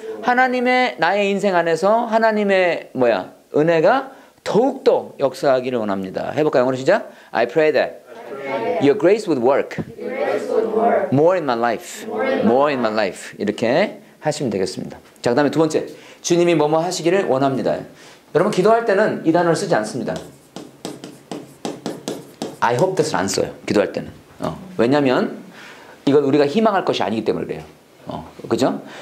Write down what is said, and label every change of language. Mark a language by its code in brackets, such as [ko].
[ko] 하나님의 나의 인생 안에서 하나님의 뭐야 은혜가 더욱더 역사하기를 원합니다. 해볼까요? 영어로 시작. [en] I pray that your grace would work more in my life. More in my life. [ko] 이렇게 하시면 되겠습니다. 자, 그 다음에 두 번째, 주님이 뭐뭐 하시기를 원합니다. 여러분 기도할 때는 이 단어를 쓰지 않습니다. [en] I hope that [ko] 을 안 써요. 기도할 때는. 왜냐하면 이건 우리가 희망할 것이 아니기 때문에 그래요. 그죠?